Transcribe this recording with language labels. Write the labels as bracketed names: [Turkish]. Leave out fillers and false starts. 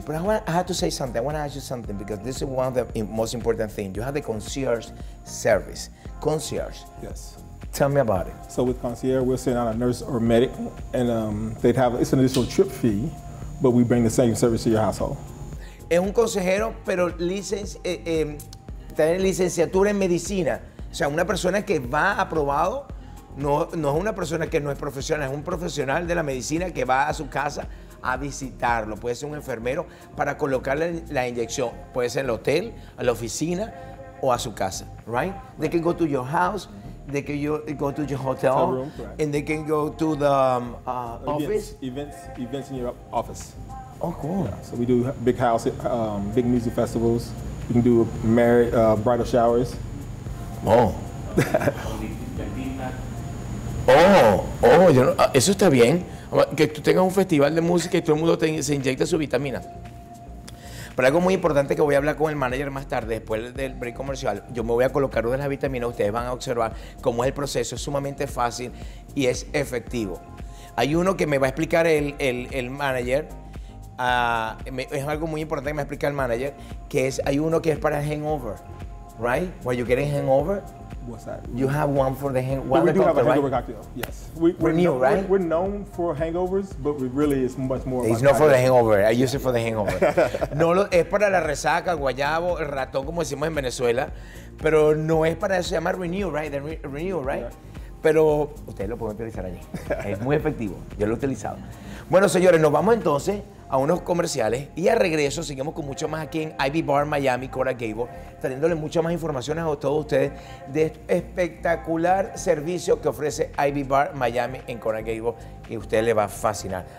[English] But I want to ask you something because this is one of the most important things. You have the concierge service. Concierge. Yes. Tell me about it. So with concierge, we'll send out a nurse or medic, and it's an additional trip fee, but we bring the same service to your household. [Spanish] Es un consejero, pero tiene licenciatura en medicina. O sea, una persona que va aprobado. No es una persona que no es profesional, es un profesional de la medicina que va a su casa a visitarlo. Puede ser un enfermero para colocarle la inyección. Puede ser en el hotel, a la oficina o a su casa, right? [English] They can go to your house, they can go to your hotel room, right. And they can go to the office. Events in your office. Oh, cool. Yeah. So we do big house, big music festivals. You can do bridal showers. Oh. [Spanish] Oh, oh, yo no, eso está bien. Que tú tengas un festival de música y todo el mundo se inyecta su vitamina. Pero algo muy importante que voy a hablar con el manager más tarde, después del break comercial, yo me voy a colocar una de las vitaminas. Ustedes van a observar cómo es el proceso. Es sumamente fácil y es efectivo. Hay uno que me va a explicar el manager. Es algo muy importante que me va a explicar el manager, que es, hay uno que es para hangover. [English] Right? Where you getting hangover? What's that? You have one for the hangover. We do cocktail, have a hangover right? cocktail. Yes. We're new, right? We're known for hangovers, but we really is much more. It's not for the hangover. I use it for the hangover. [Spanish] es para la resaca, el guayabo, el ratón, como decimos en Venezuela. Pero no es para eso. Se llama Renew, right? Renew, right? Yeah. Pero ustedes lo pueden utilizar allí. Es muy efectivo. Yo lo he utilizado. Bueno, señores, nos vamos entonces a unos comerciales y a regreso seguimos con mucho más aquí en Ivy Bar Miami, Coral Gables, trayéndole mucha más información a todos ustedes de este espectacular servicio que ofrece Ivy Bar Miami en Coral Gables y a ustedes les va a fascinar.